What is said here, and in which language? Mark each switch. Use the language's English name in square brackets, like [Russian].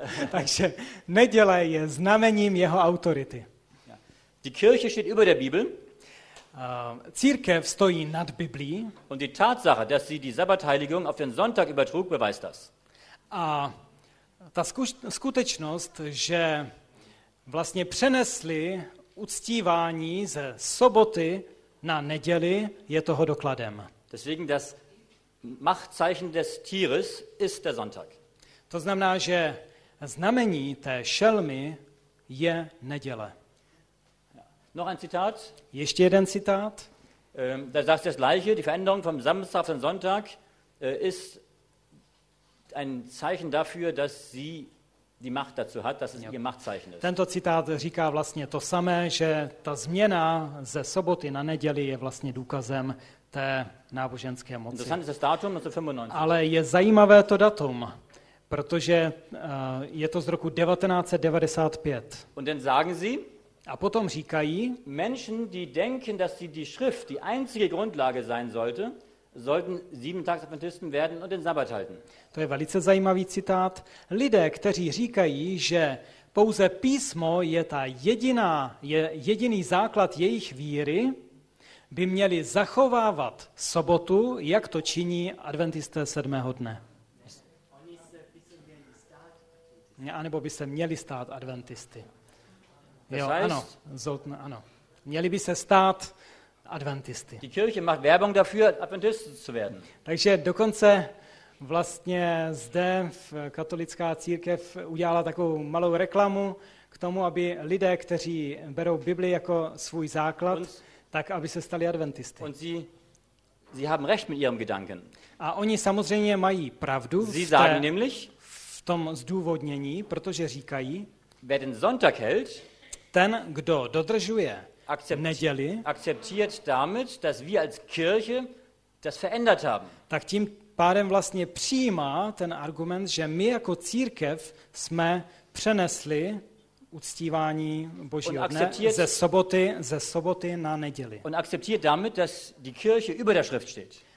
[Czech] Takže neděle je znamením jeho autority. [German] Die Kirche steht über der Bibel. [Czech] Církev stojí nad Biblí. [German] Und die Tatsache, dass sie die Sabbatheiligung auf den Sonntag übertrug, beweist das. [Czech] A ta skutečnost, že vlastně přenesli uctívání ze soboty na neděli, je toho dokladem. [German] Deswegen das Machtzeichen des Tieres ist der Sonntag. [Czech] To znamená, že znamení té šelmy je neděle. [German] Noch ein Zitat. [Czech] Ještě jeden [German] Zitat. Da sagt das gleiche, die Veränderung vom Samstag auf den Sonntag ist ein Zeichen dafür, dass sie die Macht dazu hat, dass es ihr Machtzeichen ist. [Czech] Tento citát říká vlastně to samé, že ta změna ze soboty na neděli je vlastně důkazem té náboženské moci. [German] Interessant ist das Datum, 1995. [Czech] Ale je zajímavé to datum, protože je to z roku 1995. [German] Und dann sagen sie, [Czech] a potom říkají, [German] Menschen, die denken, dass sie die Schrift die einzige Grundlage sein sollte, sollten Siebentagsadventisten werden und den Sabbat halten. [Czech] To je velice zajímavý citát. Lidé, kteří říkají, že pouze písmo je ta jediná, je jediný základ jejich víry, by měli zachovávat sobotu, jak to činí adventisté sedmého dne. A nebo by se měli stát adventisty. Jo, ano, zoltn, ano. Měli by se stát adventisty. [German] Die Kirche macht Werbung dafür, Adventisten zu werden. [Czech] Takže dokonce vlastně zde v katolická církev udělala takovou malou reklamu k tomu, aby lidé, kteří berou Bibli jako svůj základ, tak aby se stali adventisty. [German] Und sie haben recht mit ihrem Gedanken. [Czech] A oni samozřejmě mají pravdu. [German] Sie sagen nämlich, [Czech] v tom zdůvodnění, protože říkají, [German] wer den Sonntag hält, [Czech] ten, kdo dodržuje neděli, [German] akceptiert damit, dass wir als Kirche das verändert haben. [Czech] Tak tím pádem vlastně přijímá ten argument, že my jako církev jsme přenesli uctívání Božího dne ze soboty na neděli. [German] Und akceptiert damit, dass die Kirche über der Schrift steht.